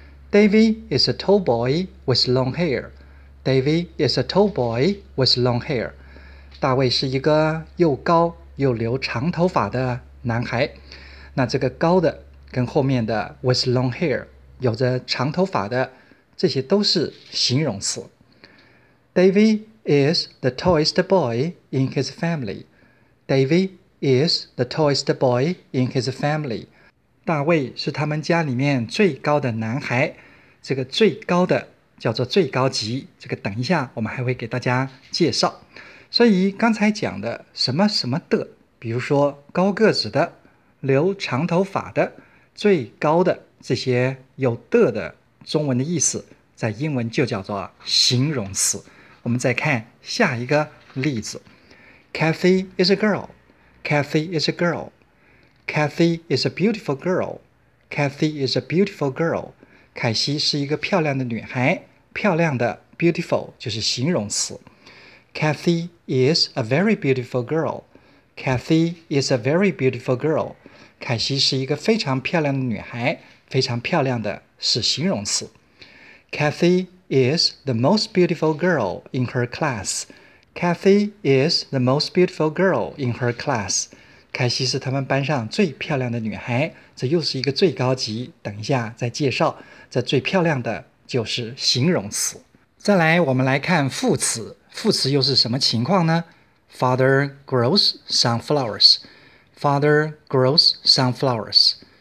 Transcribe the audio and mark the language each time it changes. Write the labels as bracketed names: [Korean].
[English] David is a tall boy with long hair. David is a tall boy with long hair. [Chinese] 大卫是一个又高又留长头发的男孩。那这个高的跟后面的 [English] with long hair, [Chinese] 有着长头发的，这些都是形容词。 [English] David is the tallest boy in his family. David is the tallest boy in his family. [Chinese] 大卫是他们家里面最高的男孩，这个最高的叫做最高级，这个等一下我们还会给大家介绍。所以刚才讲的什么什么的，比如说高个子的，留长头发的，最高的，这些有的的中文的意思，在英文就叫做形容词。我们再看下一个例子。 [English] Kathy is a girl. Kathy is a girl. Kathy is a beautiful girl. Kathy is a beautiful girl. [Chinese] 凯西是一个漂亮的女孩，漂亮的 beautiful 就是形容词。 [English] Kathy is a very beautiful girl. Kathy is a very beautiful girl. [Chinese] 凯西是一个非常漂亮的女孩，非常漂亮的是形容词。 [English] Kathy is the most beautiful girl in her class. Kathy is the most beautiful girl in her class. [Chinese] 凯西是他们班上最漂亮的女孩，这又是一个最高级，等一下再介绍。这最漂亮的就是形容词。再来我们来看副词，副词又是什么情况呢？ [English] Father grows sunflowers. Father grows sunflowers.